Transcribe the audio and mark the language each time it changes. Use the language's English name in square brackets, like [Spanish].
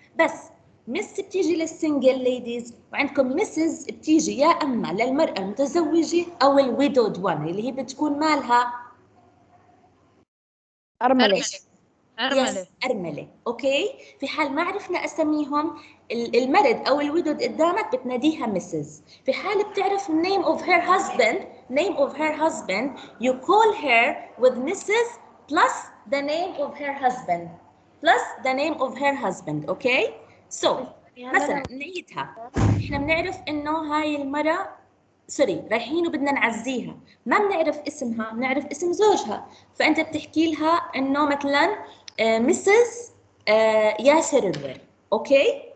[Arabic] بس مس بتيجي للسنجل ليديز، وعندكم مسز بتيجي يا اما للمراه المتزوجه او الويدود وان اللي هي بتكون مالها أرملة. اوكي. في حال ما عرفنا اسميهم المرد او الودود قدامك بتناديها مسز. في حال بتعرف [English] name of her husband، name of her husband you call her with mrs plus the name of her husband plus the name of her husband okay. [Arabic] سو مثلا نعيدها، احنا بنعرف انه هاي المرة سوري رايحين وبدنا نعزيها، ما بنعرف اسمها، بنعرف اسم زوجها. فانت بتحكي لها انه مثلا مسز ياسر الرير اوكي.